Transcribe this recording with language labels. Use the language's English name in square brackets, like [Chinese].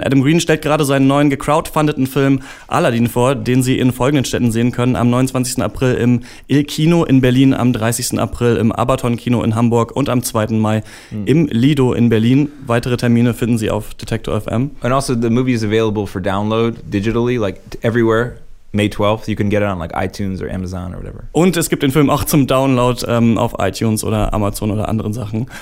[German] Adam Green stellt gerade seinen neuen gecrowdfundeten Film Aladdin vor, den Sie in folgenden Städten sehen können. Am 29. April im Il Kino in Berlin, am 30. April im Abaton Kino in Hamburg und am 2. Mai im Lido in Berlin. Weitere Termine finden Sie auf Detector FM. [English] And also the movie is available for download digitally, like everywhere. May 12th, you can get it on like iTunes or Amazon or whatever. [German] Und es gibt den Film auch zum Download auf iTunes oder Amazon oder anderen Sachen.